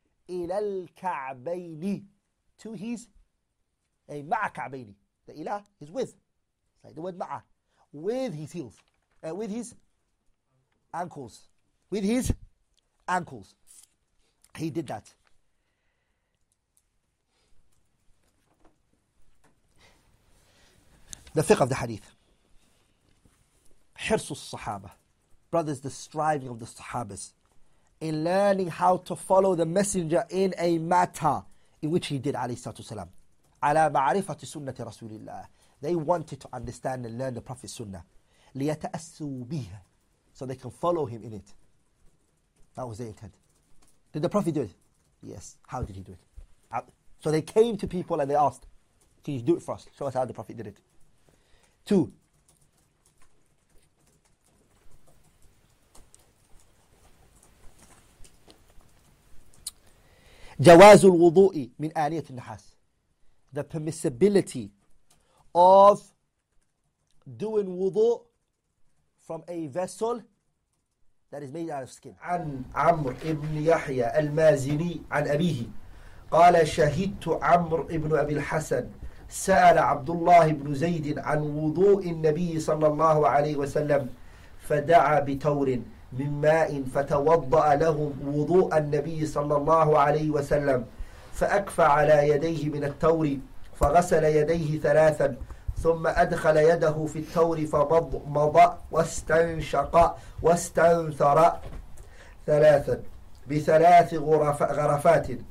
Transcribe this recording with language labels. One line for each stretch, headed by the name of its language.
Arabic: إلى الكعبين,
English: to his,
Arabic: مع كعبين.
English: The إلى is with, like the word مع, with his heels, with his ankles, with his ankles. He did that. The fiqh of the hadith. Hirsu al-Sahaba. Brothers, the striving of the Sahabas in learning how to follow the messenger in a matter in which he did, alayhi salatu wasalam.
Arabic: Ala ma'rifati sunnati Rasulillah.
English: They wanted to understand and learn the Prophet's sunnah.
Arabic: Liyata'assu biha.
English: So they can follow him in it. That was their intent. Did the Prophet do it? Yes. How did he do it? So they came to people and they asked, can you do it for us? Show us how the Prophet did it. 2.
Arabic: جواز الوضوء من آنية النحاس.
English: The permissibility of doing wudu from a vessel that is made out of skin.
Arabic: عن عمر ابن يحيى المازني عن أبيه قال شهدت عمر ابن أبي الحسن سأل عبد الله بن زيد عن وضوء النبي صلى الله عليه وسلم فدعا بتور من ماء فتوضأ لهم وضوء النبي صلى الله عليه وسلم فأكفى على يديه من التور فغسل يديه 3 ثم أدخل يده في التور فمضمض واستنشق واستنثر 3 بثلاث غرفات